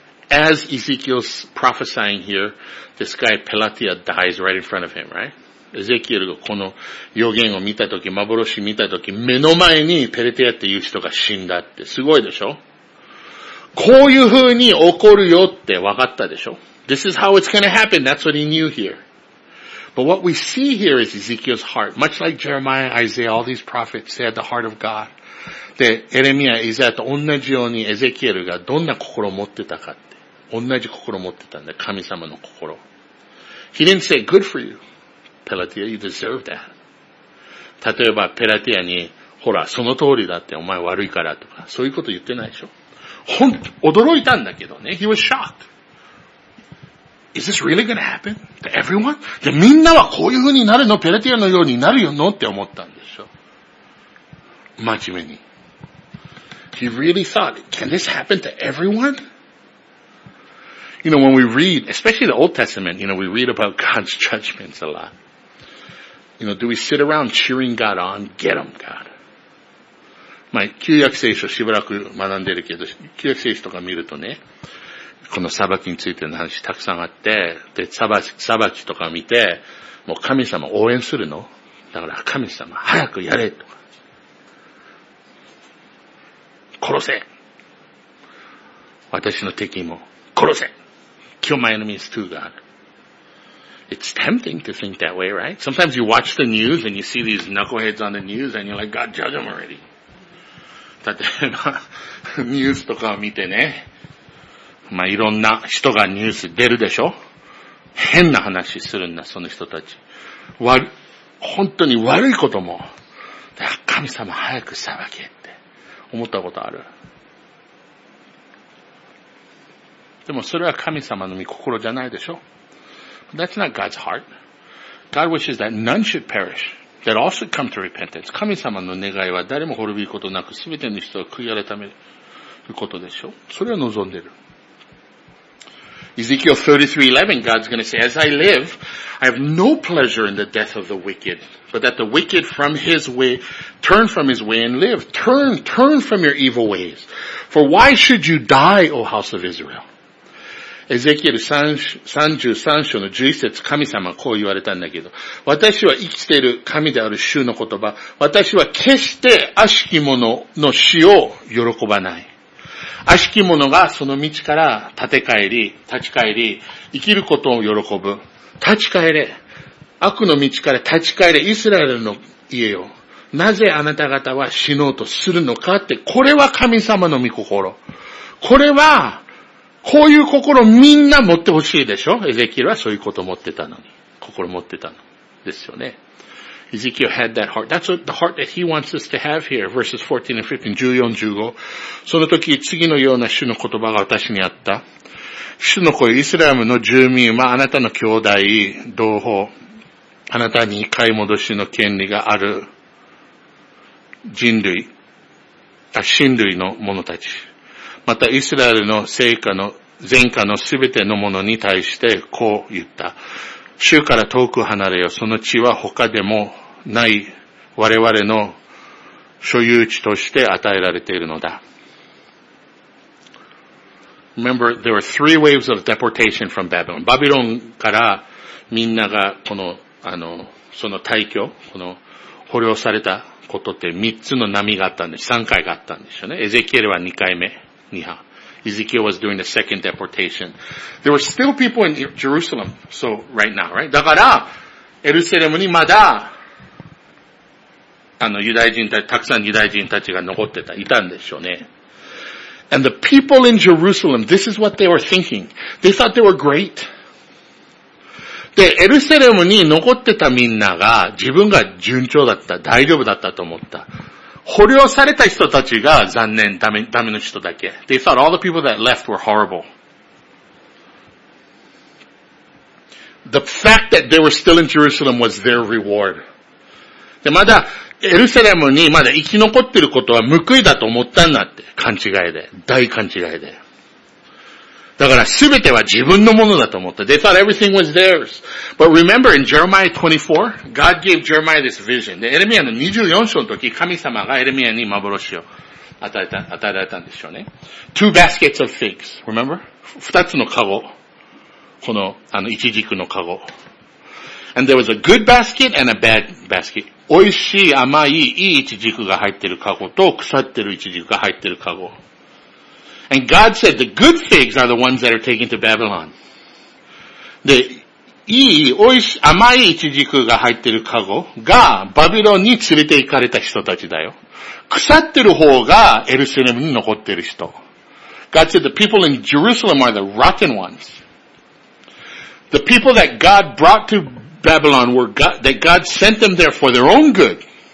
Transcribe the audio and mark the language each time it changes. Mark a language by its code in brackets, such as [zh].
[en] As Ezekiel's prophesying here, this guy Pelatia dies right in front of him, right? [ja] Ezekiel がこの予言を見たとき、幻見たとき、目の前にペレテヤっていう人が死んだって、すごいでしょ？こういう風に起こるよって分かったでしょ？ [en] This is how it's gonna happen, that's what he knew here. But what we see here is Ezekiel's heart, much like Jeremiah, Isaiah, all these prophets, they had the heart of God. [ja] で、エレミア、イザヤと同じようにエゼキエルがどんな心を持ってたかって。同じ心を持ってたんだ、神様の心。 [en] He didn't say good for you, Pelatia, you deserve that. [ja] 例えば、ペラティアに、ほら、その通りだって、お前悪いからとか、そういうこと言ってないでしょ。ほん、驚いたんだけどね。 [en] He was shocked. Is this really gonna happen to everyone? [ja] で、みんなはこういう風になるの、ペラティアのようになるよのって思ったんでしょ。真面目に。 [en] He really thought, can this happen to everyone? You know, when we read, especially the Old Testament, you know, we read about God's judgments a lot. You know, do we sit around cheering God on? Get him, God. [ja] My, 旧約聖書しばらく学んでるけど、旧約聖書とか見るとね、この裁きについての話たくさんあって、で、裁きとか見て、もう神様応援するの？だから神様早くやれとか。殺せ。私の敵も殺せ。 [en] Kill my enemies too, God. It's tempting to think that way, right? Sometimes you watch the news and you see these knuckleheads on the news and you're like, God, judge them already. [ja] だって、まあ、ニュースとかを見てね。まあ、いろんな人がニュース出るでしょ？変な話するんだ、その人たち。本当に悪いことも。だから神様早く裁け。思ったことある。でもそれは神様の御心じゃないでしょ。 [en] That's not God's heart. God wishes that none should perish, that all should come to repentance. [ja] 神様の願いは誰も滅びることなく全ての人を悔い改めることでしょ。それを望んでる。 [en] Ezekiel 33:11, God's going to say, As I live, I have no pleasure in the death of the wicked, but that the wicked from his way, turn from his way and live. Turn from your evil ways. For why should you die, O house of Israel? [ja] Ezekiel 33:11, 神様はこう言われたんだけど、私は生きている神である主の言葉、私は決して悪しき者の死を喜ばない。悪しき者がその道から立ち返り、生きることを喜ぶ。立ち返れ。悪の道から立ち返れ、イスラエルの家よ。なぜあなた方は死のうとするのかって、これは神様の御心。これは、こういう心みんな持ってほしいでしょ？エゼキエルはそういうこと持ってたのに。心持ってたの。ですよね。 [en] Ezekiel had that heart. That's what the heart that he wants us to have here. Verses 14 and 15, 14, 15. [ja] その時、次のような主の言葉が私にあった。主の声、イスラエルの住民はあなたの兄弟、同胞、あなたに買い戻しの権利がある人類、神類の者たち。また、イスラエルの前科のすべての者に対してこう言った。主から遠く離れよ。その地は他でもない我々の所有地として与えられているのだ。 [en] Remember, there were three waves of deportation from Babylon. [ja] バビロンからみんながこの、その退去、この捕虜されたことって三つの波があったんです。三回があったんですよね。エゼキエルは二回目、二波。 [en] Ezekiel was doing the second deportation. There were still people in Jerusalem, so right now, right? [ja] だから、エルサレムにまだ、ユダヤ人たくさんユダヤ人たちが残ってた、いたんでしょうね。 [en] And the people in Jerusalem, this is what they were thinking. They thought they were great. [ja] で、エルサレムに残ってたみんなが、自分が順調だった、大丈夫だったと思った。捕虜された人たちが残念、ダメの人だけ。 [en] They thought all the people that left were horrible. The fact that they were still in Jerusalem was their reward. [ja] で、まだ、エルサレムにまだ生き残ってることは報いだと思ったんだって。勘違いで。大勘違いで。だから全ては自分のものだと思った。 [en] They thought everything was theirs. But remember in Jeremiah 24, God gave Jeremiah this vision. [ja] で、エレミアの24章の時、神様がエレミアに幻を与えられたんでしょうね。 [en] Two baskets of figs. Remember? [ja] 二つのカゴ。この、あの、イチジクのカゴ。 [en] And there was a good basket and a bad basket. [ja] 美味しい、甘い、いいイチジクが入ってるカゴと、腐ってるイチジクが入ってるカゴ。 [en] And God said the good figs are the ones that are taken to Babylon. [ja] で、いい、美味しい、甘いイチジクが入ってるカゴが、バビロンに連れて行かれた人たちだよ。腐ってる方がエルサレムに残ってる人。 [en] God said the people in Jerusalem are the rotten ones. The people that God brought to Babylon were God, that God sent them there for their own good.